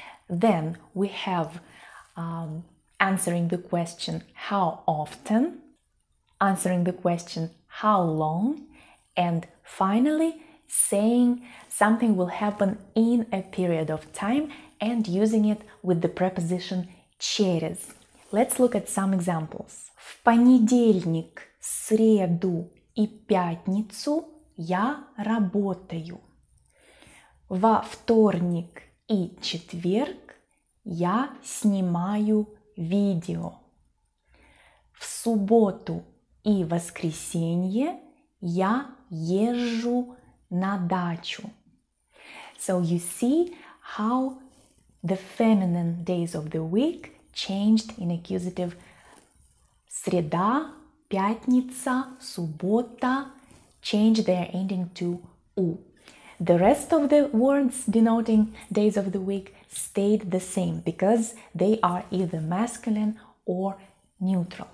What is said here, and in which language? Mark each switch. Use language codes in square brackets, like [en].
[en] Then we have answering the question how often, answering the question how long, and finally saying something will happen in a period of time and using it with the preposition через. Let's look at some examples. [ru] В понедельник, среду и пятницу я работаю. Во вторник и четверг я снимаю видео. В субботу и воскресенье я езжу на дачу. [en] So you see how the feminine days of the week changed in accusative. Среда, пятница, суббота change their ending to у. The rest of the words denoting days of the week stayed the same because they are either masculine or neutral.